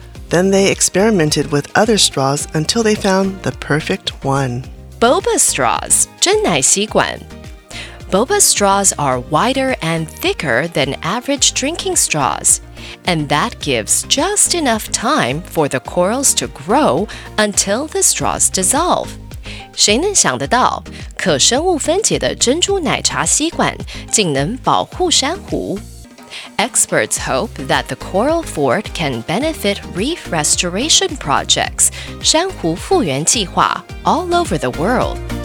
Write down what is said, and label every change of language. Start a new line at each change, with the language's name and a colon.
English: Then they experimented with other straws until they found the perfect one. Boba straws,
Chinese: 真奶吸管.
English: Boba straws are wider and thicker than average drinking straws, and that gives just enough time for the corals to grow until the straws dissolve.
Chinese: 谁能想得到, 可生物分解的珍珠奶茶吸管 竟能保护珊瑚?
English: Experts hope that the coral fort can benefit reef restoration projects,
Chinese: 珊瑚复原计划,
English: all over the world.